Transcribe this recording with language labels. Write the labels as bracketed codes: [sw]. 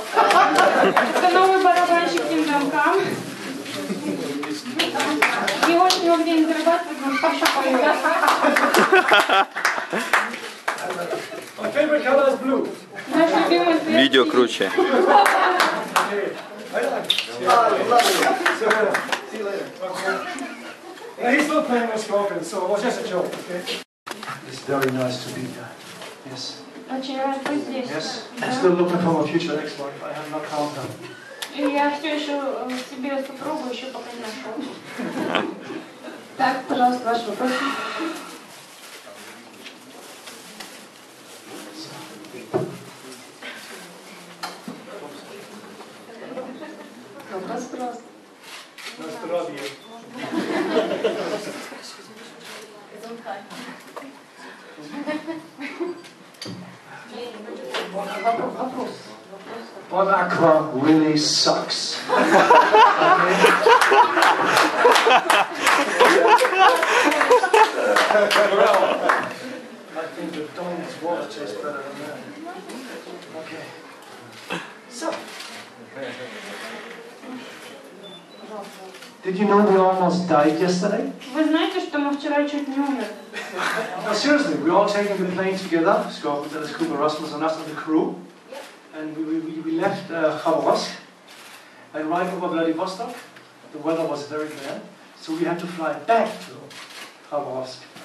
[ru] The новый барабанщик Тим Данкан. И очень много денег зарабатывает, но хорошо поет. [en] My favorite color is blue. [ru] Наш любимый цвет. Видео круче. [en] He's still playing with Scorpion, so it was just a joke, okay? It's very nice to be here. Yes. Yes. I'm still looking for my future next month. I have not found her. [ru] Так, пожалуйста, ваш вопрос. [en] Bon Aqua really sucks. Well, I think the Don's water tastes better than that. Okay. So, did you know we almost died yesterday? [ru] Вы знаете, что мы вчера чуть не умерли? [en] No, seriously, we all taking the plane together. Scott, Dennis Cooper, Russell, and us and the crew. And we left Khabarovsk and arrived over Vladivostok. The weather was very bad, so we had to fly back to Khabarovsk.